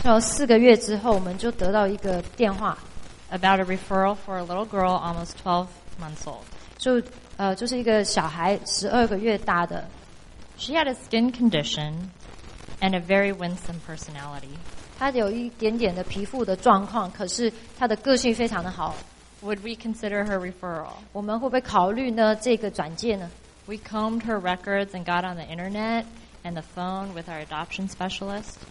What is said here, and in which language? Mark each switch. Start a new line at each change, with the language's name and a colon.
Chinese: 所以四个月之后，我们就得到一个电话
English: about a referral for a little girl almost 12 months old.
Chinese: 就是一个小孩12个月大的。
English: She had a skin condition and a very winsome personality.
Chinese: 他有一点点的皮肤的状况，可是他的个性非常的好。
English: Would we consider her referral?
Chinese: 我们会不会考虑呢？这个转介呢
English: ？We combed her records and got on the internet and the phone with our adoption specialist.